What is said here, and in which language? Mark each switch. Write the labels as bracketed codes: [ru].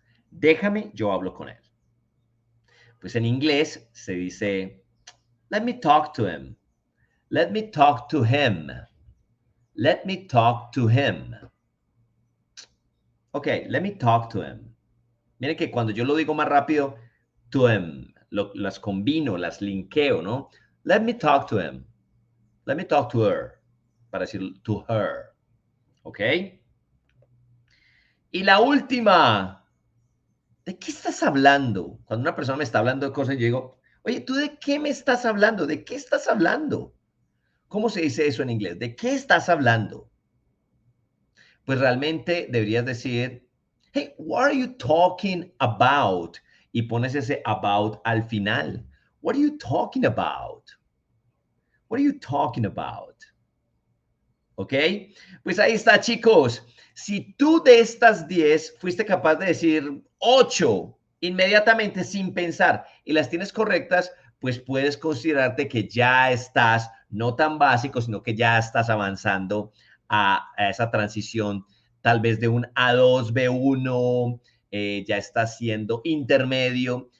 [es] Déjame, yo hablo con él. Pues en inglés se dice, [en] let me talk to him. Let me talk to him. Let me talk to him. Ok, let me talk to him. [es] Miren que cuando yo lo digo más rápido, [en] to him, [es] las combino, las linkeo, ¿no? [en] Let me talk to him. Let me talk to her, [es] para decir [en] to her. ¿Ok? [es] Y la última, ¿de qué estás hablando? Cuando una persona me está hablando de cosas, yo digo, oye, ¿tú de qué me estás hablando? ¿De qué estás hablando? ¿Cómo se dice eso en inglés? ¿De qué estás hablando? Pues realmente deberías decir, [en] hey, what are you talking about? [es] Y pones ese about al final. [en] What are you talking about? What are you talking about? [es] ¿Ok? Pues ahí está, chicos. Si tú de estas 10 fuiste capaz de decir 8 inmediatamente sin pensar y las tienes correctas, pues puedes considerarte que ya estás no tan básico, sino que ya estás avanzando a esa transición, tal vez de un A2, B1, ya estás siendo intermedio.